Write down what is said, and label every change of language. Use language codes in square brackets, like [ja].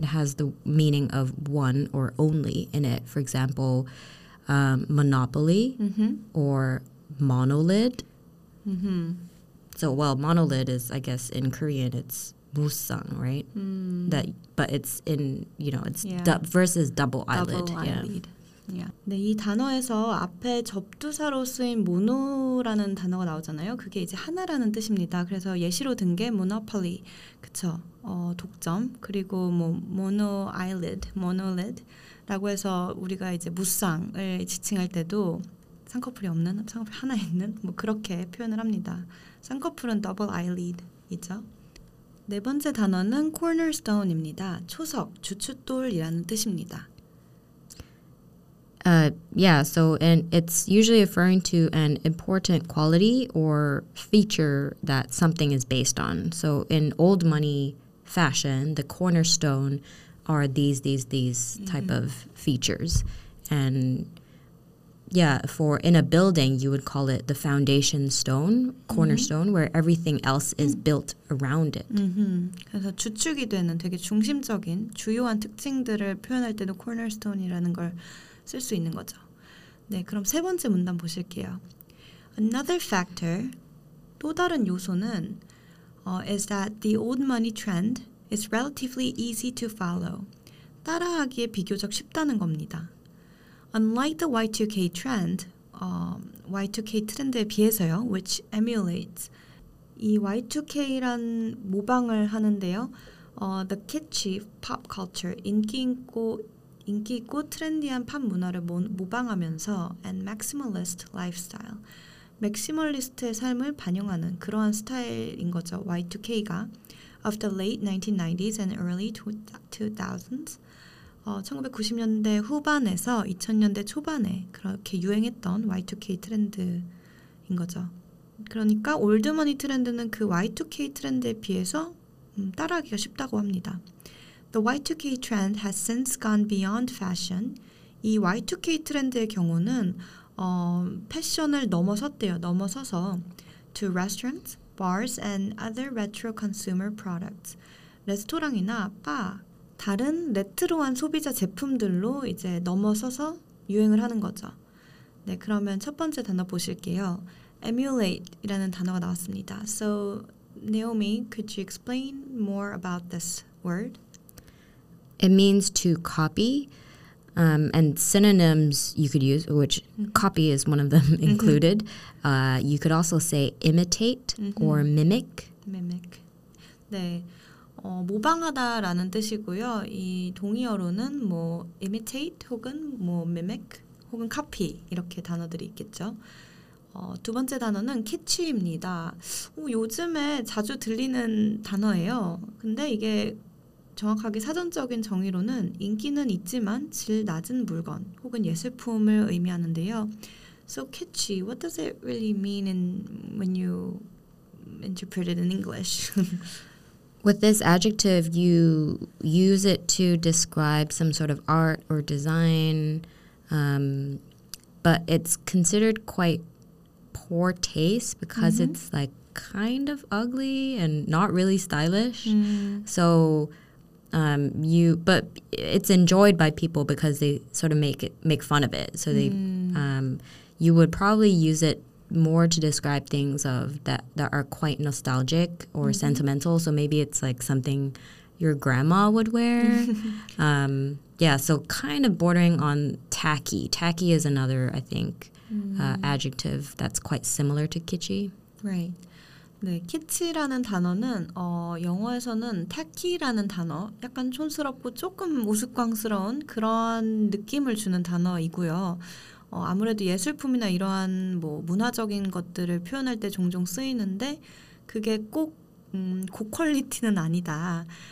[en] It has the meaning of one or only in it. For example, monopoly mm-hmm. or monolid. Mm-hmm. So well, monolid is, I guess, in Korean, it's 무쌍, right? Mm. That, but it's in, you know, it's yeah. versus double eyelid. Double eyelid. Yeah. [ko] 네, 이 단어에서 앞에 접두사로 쓰인 mono라는 단어가 나오잖아요. 그게 이제 하나라는 뜻입니다. 그래서 예시로 든 게 monopoly, 그쵸? 독점, 그리고 뭐 mono eyelid, monolid라고 해서 우리가 이제 무쌍을 지칭할 때도 쌍꺼풀이 없는, 쌍꺼풀 하나 있는, 뭐 그렇게 표현을 합니다. 쌍꺼풀은 double eyelid이죠. 네 번째 단어는 cornerstone입니다. 초석, 주춧돌이라는 뜻입니다. [en] Yeah, so and it's usually referring to an important quality or feature that something is based on. So in old money fashion, the cornerstone are these mm-hmm. type of features. And yeah, for in a building, you would call it the foundation stone, cornerstone, mm-hmm. where everything else is built around it. [ko] Mm-hmm. 그래서 주축이 되는 되게 중심적인 주요한 특징들을 표현할 때도 cornerstone이라는 걸 쓸 수 있는 거죠. 네, 그럼 세 번째 문단 보실게요. [en] Another factor, [ko] 또 다른 요소는 [en] is that the old money trend is relatively easy to follow. [ko] 따라하기에 비교적 쉽다는 겁니다. [en] Unlike the Y2K trend, [ko] Y2K 트렌드에 비해서요, [en] which emulates, [ko] 이 Y2K란 모방을 하는데요, [en] the kitschy pop culture, [ko] 인기 있고 트렌디한 팝 문화를 모방하면서 [en] and maximalist lifestyle, [ko] 맥시멀리스트의 삶을 반영하는 그러한 스타일인 거죠, Y2K가, [en] of the late 1990s and early 2000s. [ko] 1990년대 후반에서 2000년대 초반에 그렇게 유행했던 Y2K 트렌드인 거죠. 그러니까 올드머니 트렌드는 그 Y2K 트렌드에 비해서 따라하기가 쉽다고 합니다. [en] The Y2K trend has since gone beyond fashion. [ko] 이 Y2K 트렌드의 경우는 패션을 넘어섰대요. 넘어서서 [en] to restaurants, bars, and other retro consumer products. [ko] 레스토랑이나 바, 다른 레트로한 소비자 제품들로 이제 넘어서서 유행을 하는 거죠. 네, 그러면 첫 번째 단어 보실게요. Emulate이라는 단어가 나왔습니다. [en] So, Naomi, could you explain more about this word? It means to copy. And synonyms you could use, which copy is one of them included. You could also say imitate or mimic. Mimic. [ko] 네. 모방하다라는 뜻이고요. 이 동의어로는 뭐 imitate 혹은 뭐 mimic 혹은 copy 이렇게 단어들이 있겠죠. 두 번째 단어는 kitschy입니다. 요즘에 자주 들리는 단어예요. 근데 이게 정확하게 사전적인 정의로는 인기는 있지만 질 낮은 물건 혹은 예술품을 의미하는데요. [en] So catchy, what does it really mean in, when you interpret it in English? With this adjective, you use it to describe some sort of art or design, but it's considered quite poor taste because mm-hmm. it's like kind of ugly and not really stylish. Mm. So but it's enjoyed by people because they sort of make fun of it. So they, you would probably use it more to describe things of that are quite nostalgic or mm-hmm. sentimental. So maybe it's like something your grandma would wear. So kind of bordering on tacky. Tacky is another, I think, adjective that's quite similar to kitschy. Right. [ko] 네, 키치라는 단어는 영어에서는 tacky라는 단어, 약간 촌스럽고 조금 우스꽝스러운 그런 느낌을 주는 단어이고요. 아무래도 예술품이나 이러한 뭐 문화적인 것들을 표현할 때 종종 쓰이는데 그게 꼭 고퀄리티는 아니다.